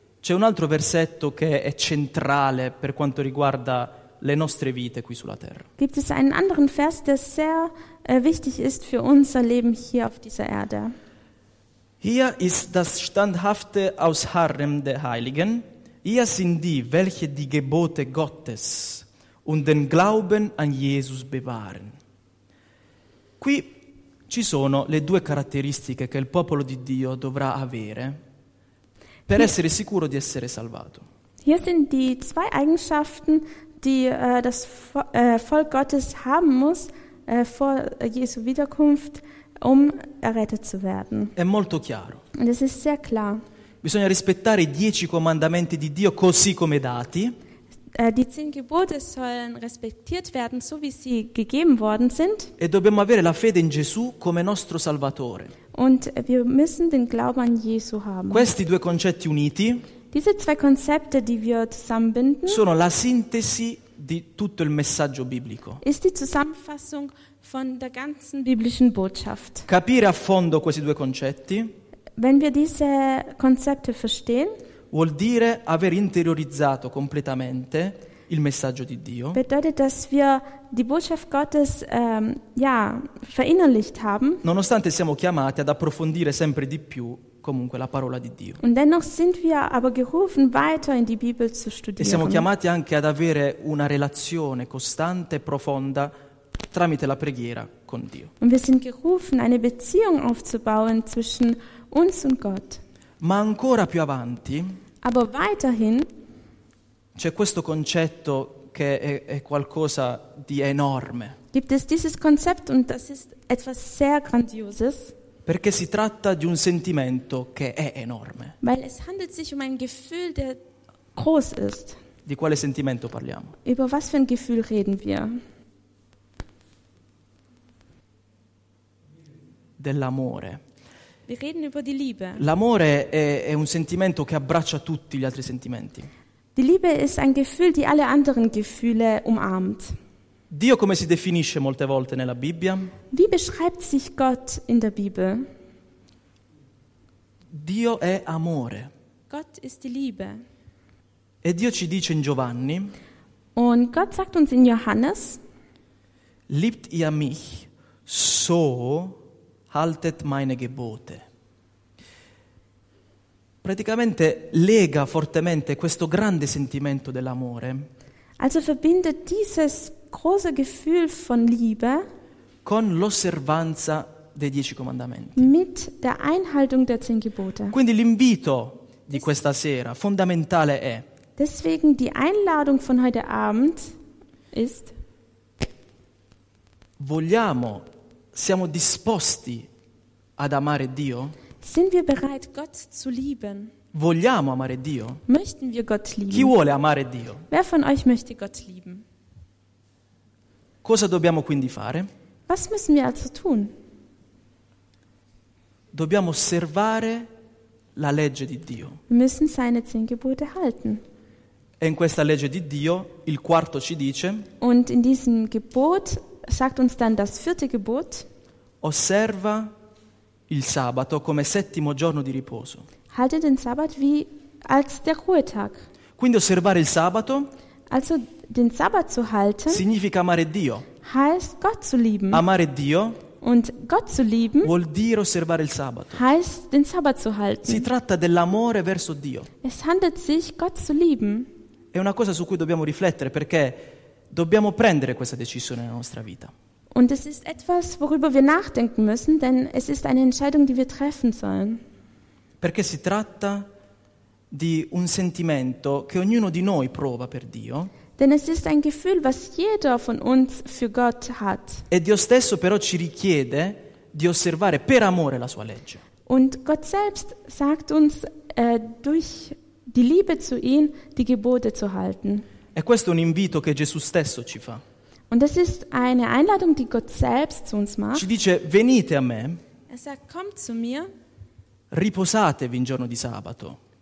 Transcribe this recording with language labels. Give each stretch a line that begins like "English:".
Italian: c'è un altro versetto che è centrale per quanto riguarda le nostre vite qui sulla terra.
German: Gibt es einen anderen Vers, der sehr wichtig ist für unser Leben hier auf dieser Erde? Hier ist das Standhafte aus Harem der Heiligen. Hier sind die, welche die Gebote Gottes und den Glauben an Jesus bewahren.
Italian: Qui ci sono le due caratteristiche che il popolo di Dio dovrà avere per essere sicuro di essere salvato.
German: Hier sind die zwei Eigenschaften, die das Volk Gottes haben muss vor Jesu Wiederkunft, um errettet zu werden.
Italian: È molto chiaro.
German: Und es ist sehr klar.
Italian: Bisogna rispettare i 10 comandamenti di Dio così come dati.
German: Die 10 Gebote sollen respektiert werden, so wie sie gegeben worden sind.
Italian: E dobbiamo avere la fede in Gesù come nostro Salvatore.
German: Und wir müssen den Glauben an Jesu haben.
Italian: Questi due concetti uniti,
German: diese zwei Konzepte, die wir zusammenbinden,
Italian: sono la sintesi di tutto il messaggio biblico.
German: Ist die Zusammenfassung von der ganzen biblischen Botschaft.
Italian: Capire a fondo questi due concetti,
German: wenn wir diese Konzepte verstehen,
Italian: vuol dire aver interiorizzato completamente il messaggio di Dio.
German: Bedeutet, dass wir die Botschaft Gottes verinnerlicht haben.
Italian: Nonostante siamo chiamati ad approfondire sempre di più comunque la parola di Dio.
German: Und dennoch sind wir aber gerufen, weiter in die Bibel zu studieren.
Italian: E siamo chiamati anche ad avere una relazione costante e profonda tramite la preghiera con Dio.
German: Und wir sind gerufen, eine Beziehung aufzubauen zwischen uns und Gott.
Italian: Ma ancora più avanti,
German: aber weiterhin,
Italian: c'è questo concetto che è qualcosa di enorme.
German: Gibt es dieses Konzept, und das ist etwas sehr Grandioses.
Italian: Perché si tratta di un sentimento che è enorme.
German: Weil es handelt sich um ein Gefühl, der groß ist.
Italian: Di quale sentimento parliamo?
German: Über was für ein Gefühl reden wir?
Italian: Dell'amore.
German: Wir reden über die Liebe.
Italian: L'amore è un sentimento che abbraccia tutti gli altri sentimenti.
German: Die Liebe ist ein Gefühl, die alle anderen Gefühle umarmt.
Italian: Dio come si definisce molte volte nella Bibbia?
German: Wie beschreibt sich Gott in der Bibel?
Italian: Dio è amore.
German: Gott ist die Liebe.
Italian: E Dio ci dice in Giovanni.
German: Und Gott sagt uns in Johannes. Liebt ihr mich so, haltet meine Gebote.
Italian: Praticamente lega fortemente questo grande sentimento dell'amore.
German: Also verbindet dieses große Gefühl von Liebe
Italian: con l'osservanza dei 10 comandamenti.
German: Mit der Einhaltung der 10 Gebote.
Italian: Quindi l'invito di questa sera fondamentale è.
German: Deswegen die Einladung von heute Abend ist.
Italian: Vogliamo, siamo disposti ad amare Dio?
German: Sind wir bereit, Gott zu lieben?
Italian: Vogliamo amare Dio?
German: Möchten wir Gott lieben?
Italian: Chi vuole amare Dio?
German: Wer von euch möchte Gott lieben?
Italian: Cosa dobbiamo quindi fare?
German: Was müssen wir also tun?
Italian: Dobbiamo osservare la legge di Dio.
German: Wir müssen seine 10 Gebote halten.
Italian: E in questa legge di Dio, il quarto ci dice.
German: Und in diesem Gebot sagt uns dann das vierte Gebot.
Italian: Osserva il sabato come settimo giorno di riposo.
German: Halte den Sabbat wie als der Ruhetag.
Italian: Quindi osservare il sabato,
German: also den Sabbat zu halten,
Italian: significa amare Dio.
German: heißt, Gott zu lieben.
Italian: Amare Dio.
German: Und Gott zu lieben
Italian: vuol dire osservare il sabato.
German: Heißt, den Sabbat zu halten.
Italian: Si tratta dell'amore verso Dio.
German: Es handelt sich, Gott zu lieben.
Italian: È una cosa su cui dobbiamo riflettere, perché dobbiamo prendere questa decisione nella nostra vita.
German: Und es ist etwas, worüber wir nachdenken müssen, denn es ist eine Entscheidung, die wir treffen sollen.
Italian: Perché si tratta di un sentimento che ognuno di noi prova per Dio.
German: Denn es ist ein Gefühl, was jeder von uns für Gott hat.
Italian: E Dio stesso però ci richiede di osservare per amore la sua legge.
German: Und Gott selbst sagt uns durch die Liebe zu ihm die Gebote zu halten.
Italian: E questo è un invito che Gesù stesso ci fa.
German: Und es ist eine Einladung, die Gott selbst zu uns macht.
Italian: Ci dice: venite a me.
German: Er sagt: kommt zu mir.
Italian: Riposatevi in giorno di sabato.